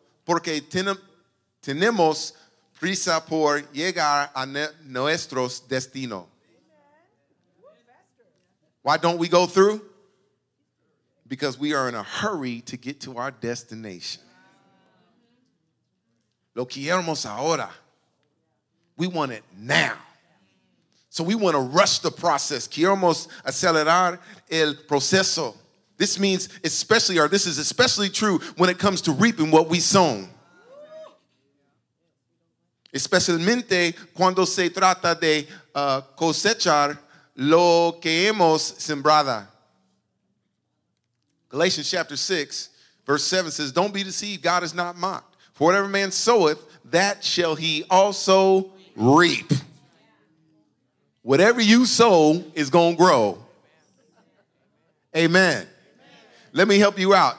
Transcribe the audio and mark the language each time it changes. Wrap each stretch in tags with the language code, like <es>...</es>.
<es>Porque tenemos prisa por llegar a nuestro destino.</es> <en>Why don't we go through? Because we are in a hurry to get to our destination.</en> <es>Lo queremos ahora.</es> <en>We want it now. So we want to rush the process.</en> <es>Queremos acelerar el proceso.</es> <en>This means especially, or this is especially true when it comes to reaping what we sown.</en> <es>Especialmente cuando se trata de cosechar lo que hemos sembrado.</es> <en>Galatians chapter 6, verse 7 says, don't be deceived, God is not mocked. For whatever man soweth, that shall he also reap. Whatever you sow is going to grow. Amen. Let me help you out.</en>